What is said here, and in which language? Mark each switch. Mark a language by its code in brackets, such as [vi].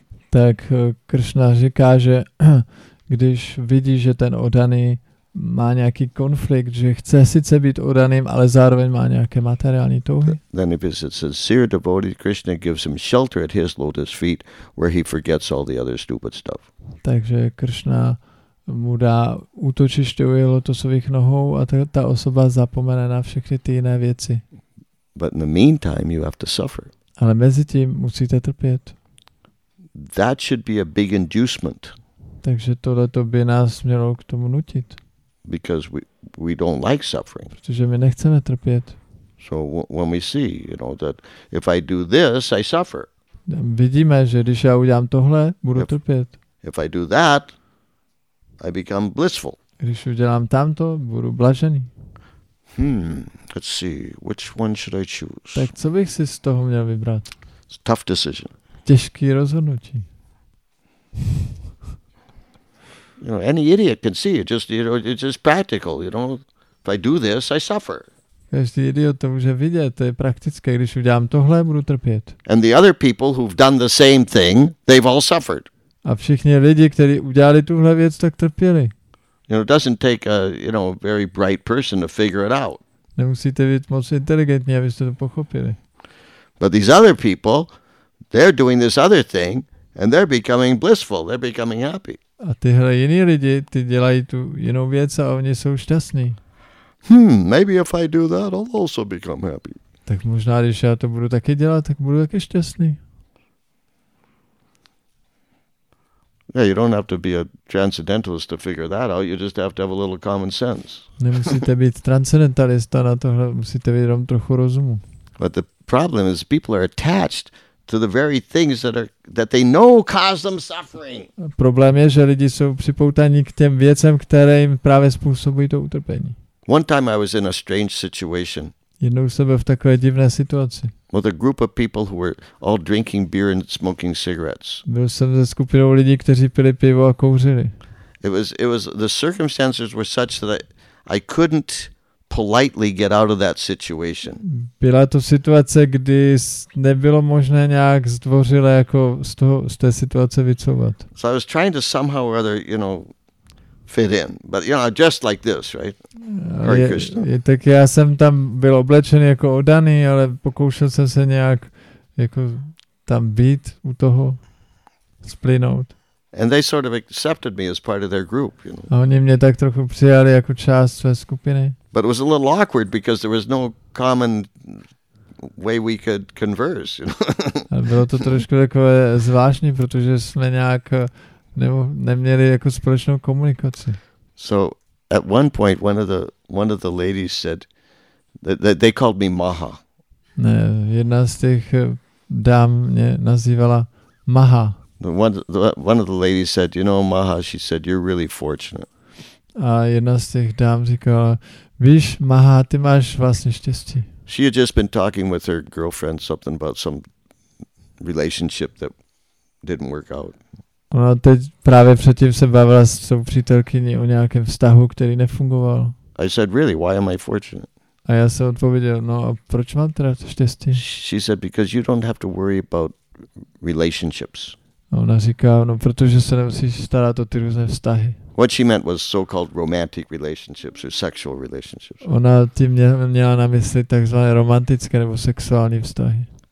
[cs] Tak Krishna říká, že když vidí, že ten oddaný má nějaký konflikt, že chce sice být oddaným, ale zároveň má nějaké materiální touhy. [en] Then if he's a sincere devotee, Krishna gives him shelter at his lotus feet where he forgets all the other stupid stuff. [cs] Takže Krishna mu dá útočiště u jeho lotosových nohou a ta osoba zapomene na všechny ty jiné věci. [en] But in the meantime, you have to suffer. [cs] Ale mezi tím musíte trpět. [en] That should be a big inducement. [cs] Takže tohle to by nás mělo k tomu nutit. [en] Because we don't like suffering. [cs] Protože my nechceme trpět. [en] So when we see, you know, that if I do this, I suffer. [cs] Vidíme, že když já udělám tohle, budu trpět. [en] If I do that, I become blissful. [cs] Když udělám tamto, budu blažený. [en] Let's see, which one should I choose? [cs] Tak co bych si z toho měl vybrat? [en] It's a tough decision. [cs] Těžký rozhodnutí. [en] You know, any idiot can see it. Just, you know, it's just practical. You know, if I do this, I suffer. [cs] Každý idiot to může vidět, to je praktické. Když udělám tohle, budu trpět. [en] And the other people who've done the same thing, they've all suffered. [cs] A všichni lidi, kteří udělali tuhle věc, tak trpěli. [en] You know, it doesn't take a, you know, a very bright person to figure it out. [cs] Nemusíte být moc inteligentní, abyste to pochopili. [en] But these other people, they're doing this other thing, and they're becoming blissful. They're becoming happy. [cs] A tyhle jiní lidi, ty dělají tu jinou věc a oni jsou šťastní. [en] Maybe if I do that, I'll also become happy. [cs] Tak možná, když já to budu taky dělat, tak budu taky šťastný. [en] Yeah, you don't have to be a transcendentalist to figure that out. You just have to have a little common sense. [cs] Nemusíte být transcendentalista na tohle, musíte mít jenom trochu rozumu. [en] But the problem is people are attached to the very things that they know cause them suffering. [cs] Problém je, že lidi jsou připoutaní k těm věcem, které jim právě způsobují to utrpení. [en] One time I was in a strange situation. [cs] Jednou jsem byl v takové divné situaci. [en] With a group of people who were all drinking beer and smoking cigarettes. [cs] Byl jsem se skupinou lidí, kteří pili pivo a kouřili. [en] It was the circumstances were such that I couldn't politely get out of that situation. [cs] Byla to situace, kdy nebylo možné nějak zdvořile jako z té situace vycouvat. [en] So I was trying to somehow or other, you know, fit in. But you know, just like this, right? [cs] Tak já jsem tam byl oblečený jako oddaný, ale pokoušel jsem se nějak jako tam být u toho, splynout. [en] And they sort of accepted me as part of their group, you know. [cs] A oni mě tak trochu přijali jako část své skupiny. [en] But it was a little awkward because there was no common way we could converse, you know. [cs] Ale bylo to trošku takové zvláštní, protože jsme nějak neměli jako společnou komunikaci. [en] So at one point one of the ladies said that they called me Maha. [cs] Ne, jedna z těch dám mě nazývala Maha. [en] One of the ladies said, you know, Maha, she said, you're really fortunate. [cs] A jedna z těch dám říkala, víš, Maha, ty máš vlastně štěstí. [en] She had just been talking with her girlfriend something about some relationship that didn't work out. [cs] Ona teď právě předtím se bavila s tou přítelkyní o nějakém vztahu, který nefungoval. [en] I said, really, why am I fortunate? [cs] A já jsem odpověděl, no a proč mám teda to štěstí? [en] She said, because you don't have to worry about relationships. [cs] A ona říká, no protože se nemusíš starat o ty různé vztahy. [en] What she meant was so-called romantic relationships or sexual relationships. [cs] Ona tím měla na mysli takzvané romantické nebo sexuální vztahy.